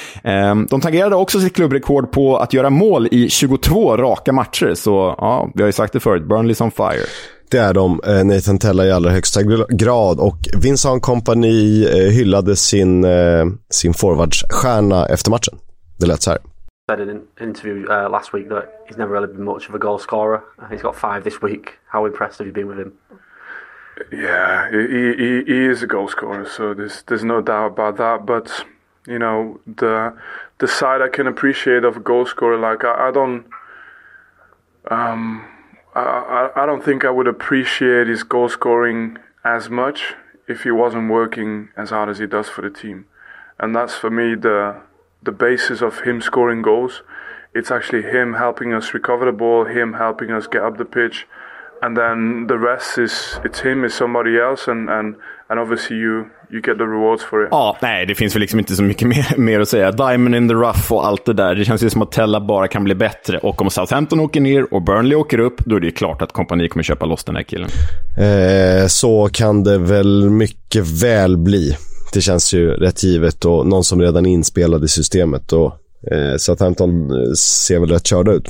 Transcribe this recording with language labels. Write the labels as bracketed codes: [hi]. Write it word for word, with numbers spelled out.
[sv] Eh, de tangerade också sitt klubbrekord på att göra mål i tjugotvå raka matcher, så ja, vi har ju sagt det förut, [en] Burnley's on fire. [sv] Det är de, Nathan Tella i allra högsta grad och Vincent Kompany hyllade sin, sin forwardsstjärna efter matchen. Det lät så här. [en] I said in an interview uh, last week that he's never really been much of a goal scorer. He's got five this week. How impressed have you been with him? Yeah, he, he, he is a goal scorer, so there's, there's no doubt about that. But, you know, the, the side I can appreciate of a goal scorer, like I, I don't... Um, I, I don't think I would appreciate his goal scoring as much if he wasn't working as hard as he does for the team. And that's for me the the basis of him scoring goals. It's actually him helping us recover the ball, him helping us get up the pitch, and then the rest is it's him, it's somebody else, and, and, and obviously you you get the rewards for it. [sv] Ja, nej, det finns väl liksom inte så mycket mer, mer att säga. [en] Diamond in the rough [sv] och allt det där. Det känns ju som att Tella bara kan bli bättre. Och om Southampton åker ner och Burnley åker upp, då är det ju klart att kompani kommer köpa loss den här killen. Eh, så kan det väl mycket väl bli. Det känns ju rätt givet och någon som redan är inspelad i systemet och eh, Southampton ser väl rätt körda ut.